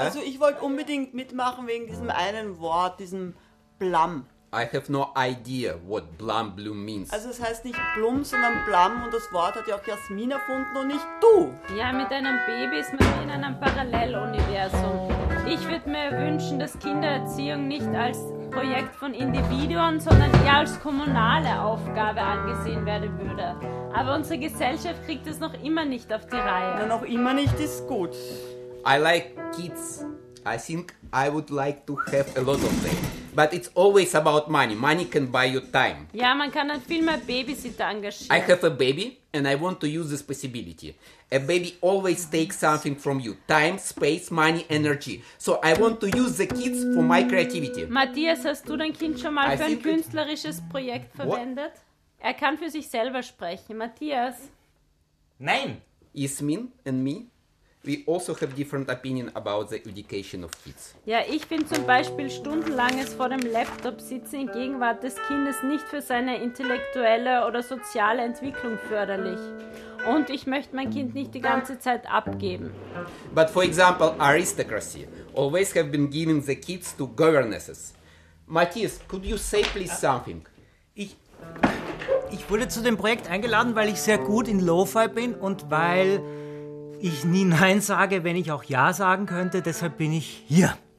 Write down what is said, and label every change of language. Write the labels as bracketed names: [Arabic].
[German] Also, ich wollte unbedingt mitmachen wegen diesem einen Wort, diesem Plum. [English] I have no idea what Plum Bloom means. [German] Also, es heißt nicht Plum, sondern Plum, und das Wort hat ja auch Jasmin erfunden und nicht du. Ja, mit einem Baby ist man in einem Paralleluniversum. Ich würde mir wünschen, dass Kindererziehung nicht als Projekt von Individuen, sondern eher als kommunale Aufgabe angesehen werden würde. Aber unsere Gesellschaft kriegt es noch immer nicht auf die Reihe. Na, noch immer nicht ist gut. [English] I like kids. I think I would like to have a lot of them. But it's always about money. Money can buy you time. [German] Ja, man kann dann viel mehr Babysitter engagieren. [English] I have a baby and I want to use this possibility. A baby always takes something from you. Time, space, money, energy. So I want to use the kids for my creativity. [German] Matthias, hast du dein Kind schon mal für ein künstlerisches Projekt verwendet? [English] What? [German] Er kann für sich selber sprechen. Matthias? Nein. [English] Yasmin and me? We also have different opinion about the education of kids. [German] Ja, ich bin zum Beispiel stundenlanges vor dem Laptop sitzen in Gegenwart des Kindes nicht für seine intellektuelle oder soziale Entwicklung förderlich. Und ich möchte mein Kind nicht die ganze Zeit abgeben. [English] But for example, aristocracy always have been giving the kids to governesses. Matthias, could you say please something? [German] Ich wurde zu dem Projekt eingeladen, weil ich sehr gut in Lo-Fi bin und weil ich nie Nein sage, wenn ich auch Ja sagen könnte, deshalb bin ich hier.